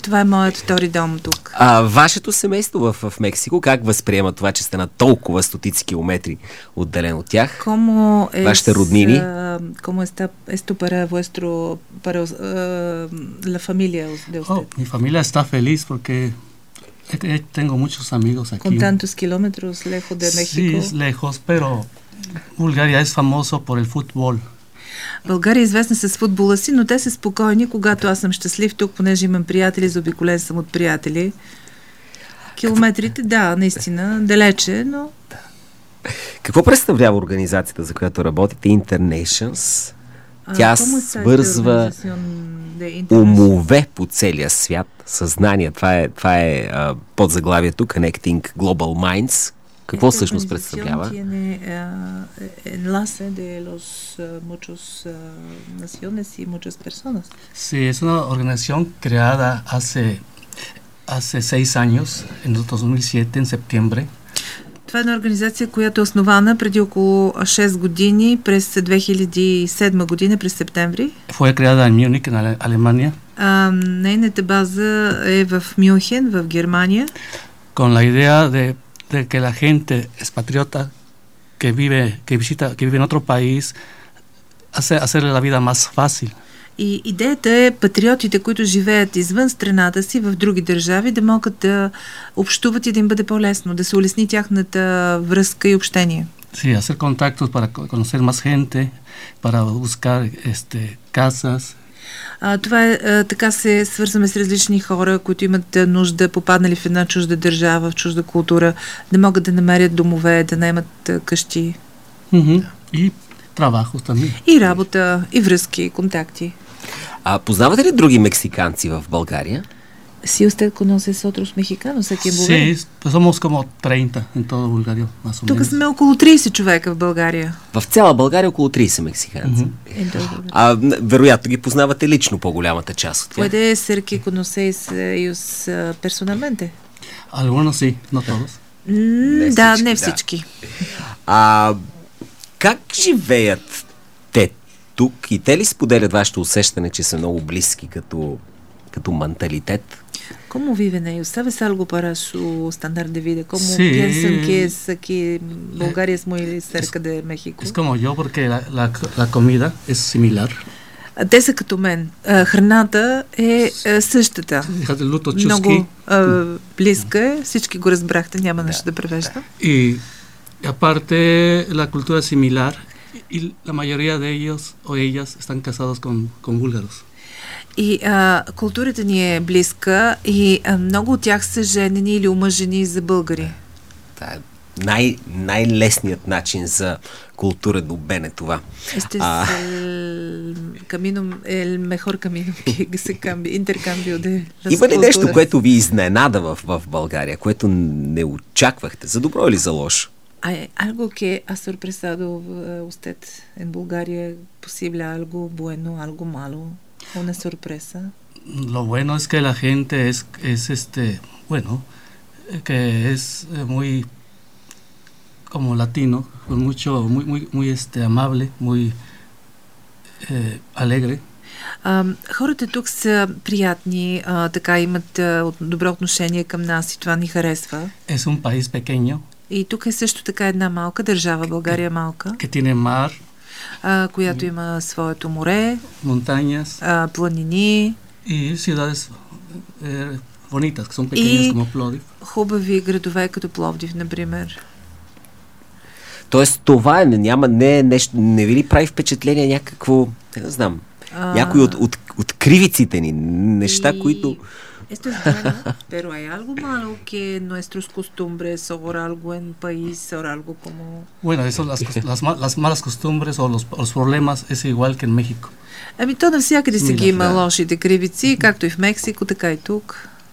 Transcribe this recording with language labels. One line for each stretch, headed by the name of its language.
Bulgarian: Това е моят втори дом тук. Вашето семейство в Мексико как възприема това, че сте на толкова стотици километри отделен от тях?
Spanish: Como es,
Bulgarian: вашите роднини?
Spanish: Como está esto para vuestro para la familia de usted? Mi familia está feliz porque tengo muchos amigos aquí. Con tantos kilómetros lejos de México. Sí, es lejos, pero Bulgaria es famoso por el fútbol.
Bulgarian: България е известна с футбола си, но те са спокойни, когато аз съм щастлив тук, понеже имам приятели, заобиколен съм от приятели. Километрите, да, наистина, далече, но... Какво представлява организацията, за която работите, InterNations? Тя свързва умове по целия свят, съзнание, това е подзаглавието, Connecting Global Minds. Какво всъщност представлява?
Spanish: Tiene enlace de los muchos naciones y muchas personas. Sí, es una organización creada hace 6 años, en 2007, en septiembre.
Bulgarian: Това е една организация, която е основана преди около 6 години, през 2007 година, през септември.
Spanish: Fue creada en Múnich, en Alemania.
Bulgarian: Нейната база е в Мюнхен, в Германия.
Spanish: Con la idea de que la gente es patriota que vive, que visita, que vive en otro país hacerle la vida más fácil.
Bulgarian: И идеята е патриотите, които живеят извън страната си, в други държави, да могат да общуват и да им бъде по-лесно, да се улесни тяхната връзка и общение.
Spanish: Sí, hacer contactos para conocer más gente, para buscar casas.
Bulgarian: Така се свързваме с различни хора, които имат нужда, попаднали в една чужда държава, в чужда култура, да могат да намерят домове, да наймат къщи. И
Spanish: трабахо
Bulgarian: там. И работа, и връзки, и контакти. Познавате ли други мексиканци в България?
Spanish: Си usted conoce otros mexicanos aquí en Bulgaria? Sí, somos como 30 en toda Bulgaria, más o menos.
Bulgarian: Тук сме около 30 човека в България. В цяла България около 30 мексиканци. Вероятно ги познавате лично по-голямата част от тях.
Spanish: Puede ser que conocéis ellos personalmente? Algunos sí, no todos.
Bulgarian: Да, не всички. Как живеят те тук и те ли споделят вашето усещане, че са много близки като менталитет?
Spanish: Como viven ellos? ¿Sabes algo para su estándar de vida? ¿Cómo piensan que es aquí? Bulgaria es muy cerca de México. Es como yo, porque la comida es similar.
Bulgarian: Те са като мен. Храната е същата. Много близка е. Всички го разбрахте. Няма нещо да превеждам.
Spanish: И апарте, ла култура е симилар. И ла майория де ellos о ellas están casados con búlgaros.
Bulgarian: И културата ни е близка и много от тях са женени или омъжени за българи. Да. Най-лесният начин за култура добен е това.
Spanish: Este es el mejor camino que se cambie, intercambio de las culturas.
Bulgarian: Има ли нещо, което ви изненада в България, което не очаквахте, за добро или за лошо?
Spanish: Algo que ha sorpresado usted en Bulgaria, posible algo bueno, algo malo, una sorpresa? Lo bueno es que la gente es este, bueno, que es muy como latino, con mucho muy muy muy este amable, muy alegre.
Bulgarian: Хората тук са приятни, така имат добро отношение към нас и това ни харесва.
Spanish: Es un país pequeño.
Bulgarian: И тук е също така една малка държава, България малка.
Spanish: Que tiene mar,
Bulgarian: която има своето море,
Spanish: montañas,
Bulgarian: планини
Spanish: и ciudades bonitas, que son pequeñas como Plovdiv.
Bulgarian: Хубави градове като Пловдив, например. Тоест, това е, няма, не ви ли прави впечатление някакво, не знам, някои от кривиците ни, неща, които...
Spanish: Esto es bueno, pero hay algo malo que nuestros costumbres o algo en país o algo como... Bueno, eso, las malas costumbres o los problemas es igual que en México.
Bulgarian: Ами то навсякъде си ги има лошите кривици, както и в Мексико, така и тук.